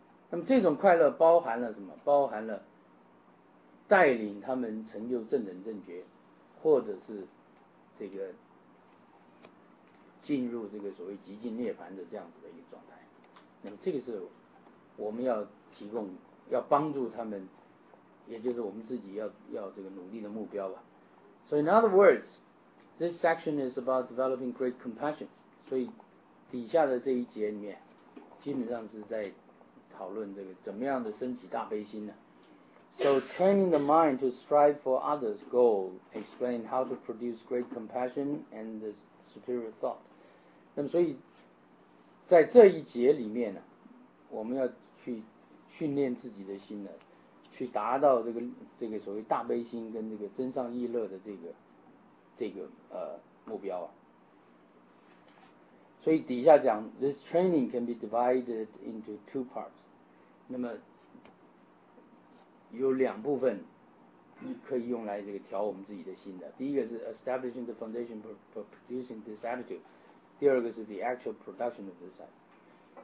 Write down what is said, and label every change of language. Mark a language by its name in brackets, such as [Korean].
[Chinese] 那么这种快乐包含了什么？包含了带领他们成就正人正觉，或者是这个进入这个所谓极尽涅槃的这样子的一个状态。那么这个是我们要提供，要帮助他们，也就是我们自己要这个努力的目标吧。 [English] So in other words,This section is about developing great compassion. [Chinese] 所以底下的这一节里面基本上是在讨论这个怎么样的升起大悲心呢。 [English] So training the mind to strive for others' goal explain how to produce great compassion and the superior thought. [Chinese] 那么所以在这一节里面呢，我们要去训练自己的心呢，去达到这个所谓大悲心跟这个增上益乐的这个目标啊。所以底下讲 [English] This training can be divided into two parts. [Chinese] 那么有两部分你可以用来这个调我们自己的心的，第一个是 [English] establishing the foundation for producing this attitude， [Chinese] 第二个是 [English] the actual production of this attitude。